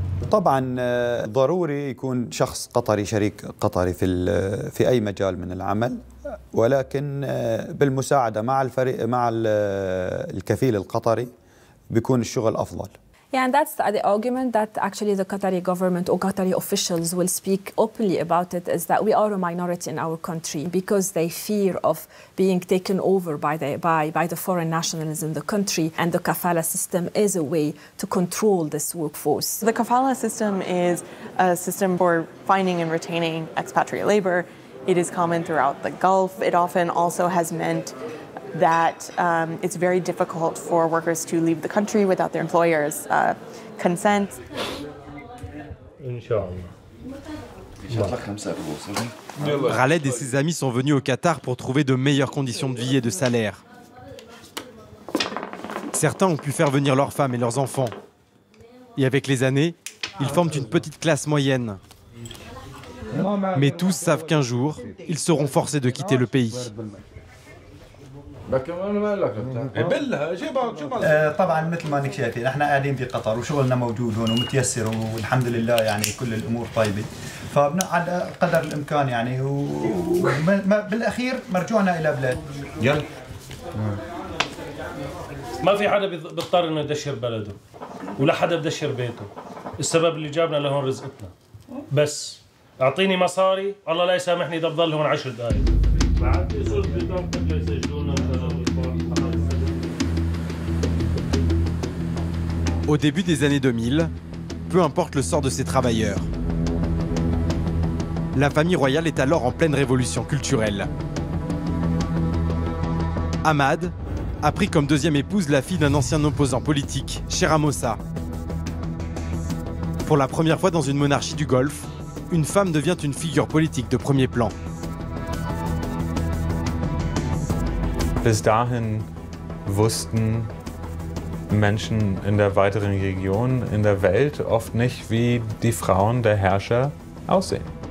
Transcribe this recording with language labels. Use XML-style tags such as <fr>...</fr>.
<ar>طبعا ضروري يكون شخص قطري شريك قطري في في اي مجال من العمل ولكن بالمساعده مع الفريق مع الكفيل القطري بيكون الشغل افضل.</ar> <en>Yeah, and that's the argument that actually the Qatari government or Qatari officials will speak openly about it is that we are a minority in our country because they fear of being taken over by the foreign nationalism in the country, and the kafala system is a way to control this workforce. The kafala system is a system for finding and retaining expatriate labor. It is common throughout the Gulf. It often also has meant that it's very difficult for workers to leave the country without their employers' consent.</en> <fr>Raled et ses amis sont venus au Qatar pour trouver de meilleures conditions de vie et de salaire. Certains ont pu faire venir leurs femmes et leurs enfants. Et avec les années, ils forment une petite classe moyenne. Mais tous savent qu'un jour, ils seront forcés de quitter le pays.</fr> <ar>طبعا مثل ما انك شايفين احنا قاعدين في قطر وشغلنا موجود هون ومتيسر والحمد لله يعني كل الامور طيبه فبنقعد قدر الامكان يعني وبالاخير مرجوعنا الى بلاد يلا ما في حدا بيضطر انه يدشر بلده ولا حدا بدشر بيته السبب اللي جابنا لهون رزقتنا بس اعطيني مصاري الله لا يسامحني اذا بضل هون 10 دقائق</ar> <fr>Au début des années 2000, peu importe le sort de ces travailleurs, la famille royale est alors en pleine révolution culturelle. Ahmad a pris comme deuxième épouse la fille d'un ancien opposant politique, Shera Mossa. Pour la première fois dans une monarchie du Golfe, une femme devient une figure politique de premier plan.</fr> <de>Bis dahin wussten Menschen in der weiteren Region, in der Welt, oft nicht, wie die Frauen der Herrscher aussehen.</de>